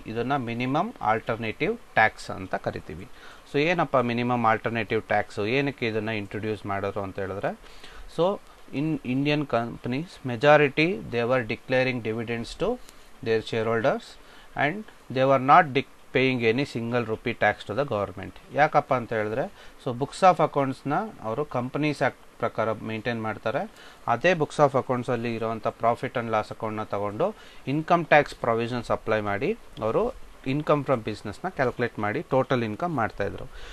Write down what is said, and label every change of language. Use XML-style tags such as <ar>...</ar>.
<kn>ಇದನ್ನು minimum alternative tax ಅಂತ ಕರಿತೀವಿ. ಸೊ ಏನಪ್ಪ ಮಿನಿಮಮ್ ಆಲ್ಟರ್ನೇಟಿವ್ ಟ್ಯಾಕ್ಸು, ಏನಕ್ಕೆ ಇದನ್ನು ಇಂಟ್ರೊಡ್ಯೂಸ್ ಮಾಡೋದು ಅಂತ ಹೇಳಿದ್ರೆ, so</kn> <en>In Indian companies majority they were declaring dividends to their shareholders and they were not ಡಿಕ್ paying any single rupee tax to the government.</en> <kn>ಯಾಕಪ್ಪ ಅಂತ ಹೇಳಿದ್ರೆ, ಸೊ ಬುಕ್ಸ್ ಆಫ್ ಅಕೌಂಟ್ಸ್ನ ಅವರು companies act ಪ್ರಕಾರ maintain ಮಾಡ್ತಾರೆ. ಅದೇ books of ಅಕೌಂಟ್ಸಲ್ಲಿ ಇರೋವಂಥ profit and loss ಅಕೌಂಟ್ನ ತಗೊಂಡು ಇನ್ಕಮ್ ಟ್ಯಾಕ್ಸ್ ಪ್ರೊವಿಷನ್ಸ್ ಅಪ್ಲೈ ಮಾಡಿ ಅವರು ಇನ್ಕಮ್ ಫ್ರಮ್ ಬಿಸ್ನೆಸ್ನ ಕ್ಯಾಲ್ಕುಲೇಟ್ ಮಾಡಿ ಟೋಟಲ್ ಇನ್ಕಮ್ ಮಾಡ್ತಾಯಿದ್ರು.</kn>